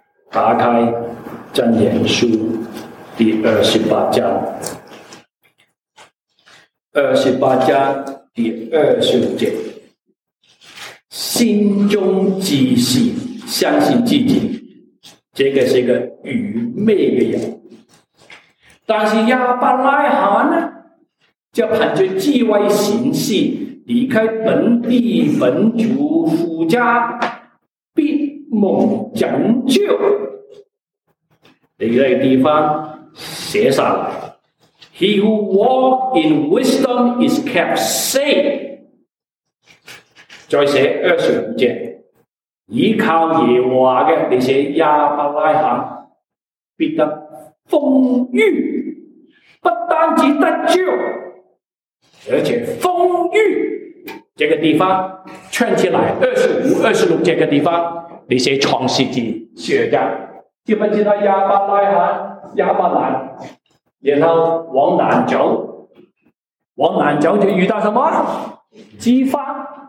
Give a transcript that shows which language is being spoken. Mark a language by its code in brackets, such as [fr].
[zh] 打开箴言书第二十八章，二十八章第二十节，心中自信相信自己，这个是一个愚昧的人。但是亚伯拉罕呢，就凭着智慧行事，离开本地本族父家，必蒙拯救。你这个地方写下来， [en] He who walk in wisdom is kept safe。 [zh] 再写二十五节，依靠耶和华的，你写亚伯拉罕必得丰裕，不单止得救，而且丰裕。这个地方圈起来，二十五、二十六这个地方，你写创世纪十二章，记不记得亚伯拉罕、亚伯兰，然后往南走，往南走就遇到什么？饥荒。